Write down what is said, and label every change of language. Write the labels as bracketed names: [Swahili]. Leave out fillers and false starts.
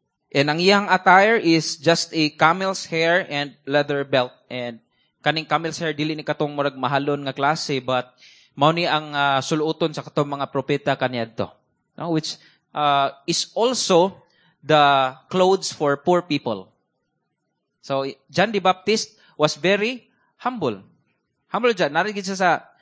[English] And [Cebuano] ang iyang [English] attire is just a camel's hair and leather belt. [Cebuano] And kaning camel's hair, dili ni katong murag mahalon nga klase, but mao ni ang suluton sa katong mga propeta kaniadto. No? [English] Which is also the clothes for poor people. So, John the Baptist was very humble. Humble dyan. [Cebuano] Narigid siya sa